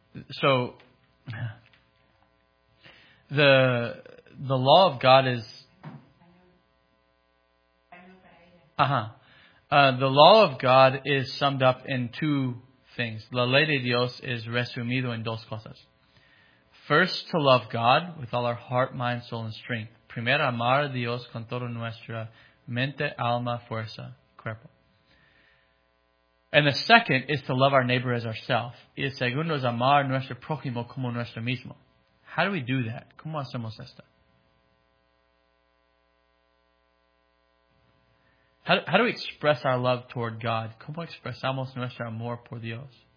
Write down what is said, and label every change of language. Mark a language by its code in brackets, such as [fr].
[en] So the law of God is the law of God is summed up in two things. [es] La ley de Dios es resumido en dos cosas. [en] First, to love God with all our heart, mind, soul, and strength. [es] Primero, amar a Dios con toda nuestra mente, alma, fuerza, cuerpo. [en] And the second is to love our neighbor as ourself. [es] Y el segundo es amar nuestro prójimo como nuestro mismo. [en] How do we do that? [es] ¿Cómo hacemos esto? [en] How do we express our love toward God? [es] ¿Cómo expresamos nuestro amor por Dios?